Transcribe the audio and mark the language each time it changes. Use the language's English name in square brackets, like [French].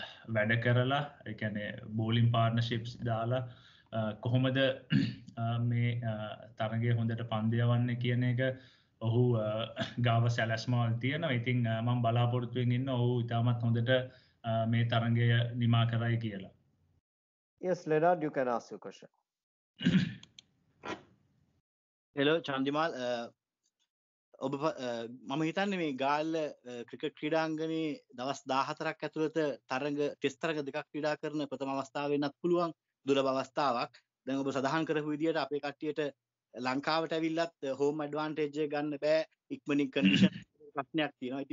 [Sinhala] වැඩ කරලා ඒ කියන්නේ බෝලින් පාර්ට්නර්ෂිප්ස් දාලා කොහොමද මේ තරගයේ හොඳට පන්දු යවන්නේ කියන එක ඔහු ගාව සැලැස්මල් තියෙනවා. ඉතින් මම බලාපොරොත්තු වෙමින් ඉන්න ඔහු ඉතාමත් හොඳට මේ තරගය නිමා කරයි කියලා. [English] Yes, Leonard, you can ask your question. Hello, Chandimal. [Sinhala] ඔබ මම හිතන්නේ මේ ගාල්ල ක්‍රිකට් ක්‍රීඩාංගණයේ දවස් 14ක් ඇතුළත තරඟ ටෙස්ට් තරඟ දෙකක් ක්‍රීඩා කරන ප්‍රථම අවස්ථාව වෙන්නත් පුළුවන් දුර්ලභ අවස්ථාවක්. දැන් ඔබ සඳහන් කරපු විදිහට අපේ කට්ටියට ලංකාවට ඇවිල්ලත් හෝම් ඇඩ්වාන්ටේජ් එක ගන්න බෑ ඉක්මනින් කන්ඩිෂන් ප්‍රශ්නයක් තියෙනවා.